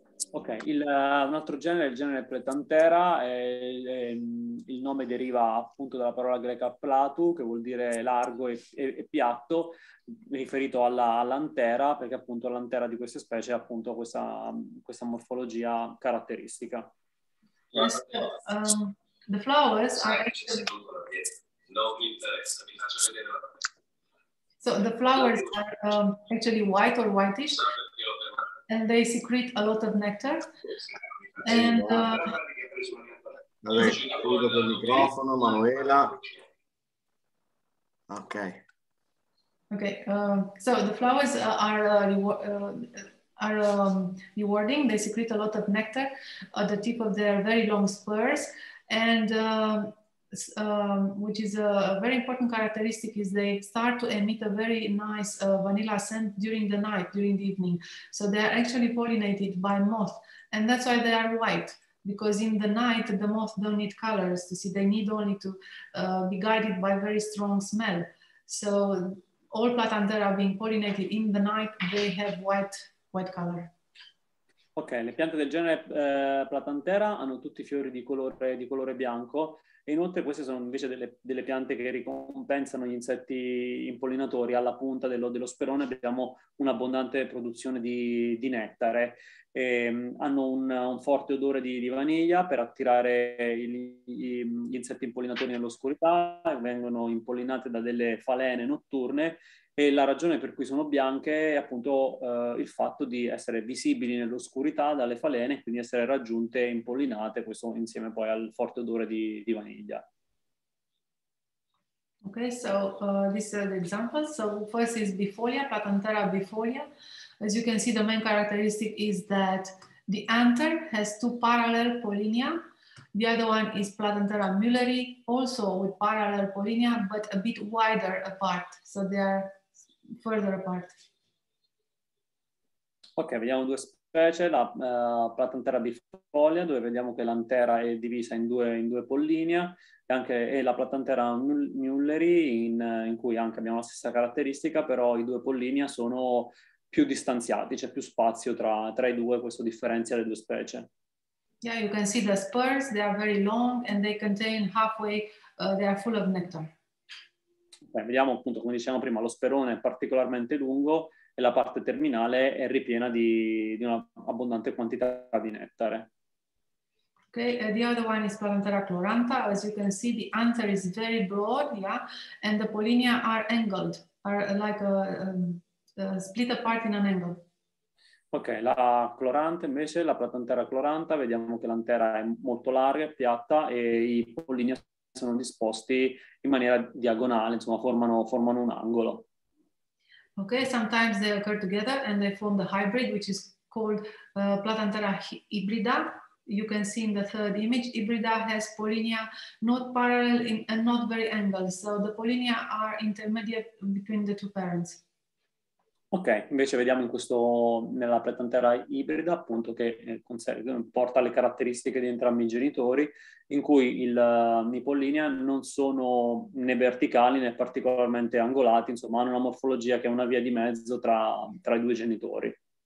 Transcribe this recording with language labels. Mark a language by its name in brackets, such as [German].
[Italian] Ok, un altro genere, il genere Platanthera, il nome deriva appunto dalla parola greca platu, che vuol dire largo e piatto, riferito all'antera, perché appunto l'antera di queste specie ha appunto questa morfologia caratteristica. [English] The flowers are actually white or whitish, and they secrete a lot of nectar. And [Italian] chiudo il microfono, Manuela. Okay. [English] Okay. So the flowers are rewarding. They secrete a lot of nectar at the tip of their very long spurs. And which is a very important characteristic, is they start to emit a very nice vanilla scent during the night, during the evening. So they are actually pollinated by moth, and that's why they are white, because in the night the moth don't need colors to see, they need only to be guided by very strong smell. So all Platanthera being pollinated in the night, they have white color. [Italian] Ok, le piante del genere Platanthera hanno tutti i fiori di colore bianco, e inoltre queste sono invece delle piante che ricompensano gli insetti impollinatori. Alla punta dello sperone abbiamo un'abbondante produzione di nettare. E hanno un forte odore di vaniglia per attirare gli insetti impollinatori nell'oscurità, e vengono impollinate da delle falene notturne. E la ragione per cui sono bianche è appunto il fatto di essere visibili nell'oscurità dalle falene, quindi essere raggiunte e impollinate, questo insieme poi al forte odore di vaniglia. [English] Ok, so this is the example. So first is bifolia, Platanthera bifolia. As you can see, the main characteristic is that the anther has two parallel pollinia. The other one is Platanthera mulleri, also with parallel pollinia, but a bit wider apart. So they are further apart. [Italian] Ok, vediamo due specie, la Platanthera bifolia, dove vediamo che l'antera è divisa in due pollinia, e la Platanthera mulleri, in cui anche abbiamo la stessa caratteristica, però i due pollinia sono più distanziati, c'è più spazio tra i due, questo differenzia le due specie. [English] Yeah, you can see the spurs, they are very long and they contain halfway, they are full of nectar. [Italian] Beh, vediamo appunto, come dicevamo prima, lo sperone è particolarmente lungo e la parte terminale è ripiena di una abbondante quantità di nettare. [English] Okay, the other one is Platanthera chloranta. As you can see, the anther is very broad, yeah, and the pollinia are angled, are like a split apart in an angle. [Italian] Ok, la cloranta invece, la Platanthera cloranta, vediamo che l'antera è molto larga e piatta e i pollini sono disposti in maniera diagonale, insomma formano un angolo. [English] Ok, sometimes they occur together and they form the hybrid, which is called Platanthera hybrida. You can see in the third image, hybrida has pollinia not parallel and not very angled. So the pollinia are intermediate between the two parents. [Italian] Ok, invece vediamo in questo, nella piantantera ibrida, appunto, che conserva, porta le caratteristiche di entrambi i genitori, in cui i pollinia non sono né verticali né particolarmente angolati, insomma, hanno una morfologia che è una via di mezzo tra i due genitori.